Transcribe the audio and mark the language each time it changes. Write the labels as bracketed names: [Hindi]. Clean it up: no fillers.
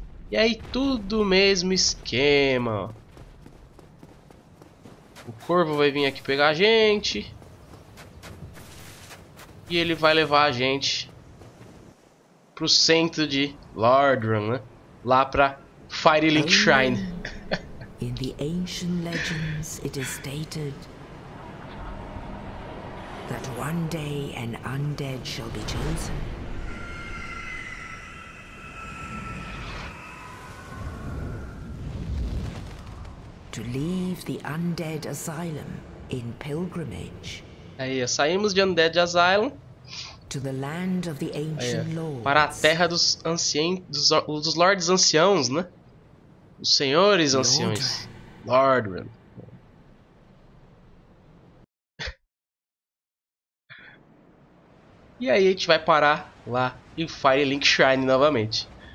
[Portuguese] E aí, tudo o mesmo esquema. O corvo vai vir aqui pegar a gente. E ele vai levar a gente pro centro de Lordran, né? Lá pra Firelink Shrine. [English] In the ancient legends, it is stated that one day an undead shall be chosen. To leave the undead asylum in pilgrimage. [Portuguese] Aí, saímos de Undead Asylum. [English] To the land of the ancient lords. [Portuguese] Para a terra dos anciãos, dos lords anciãos, né? Os senhores anciões. Lordran. E aí a gente vai parar lá em Firelink Shrine novamente.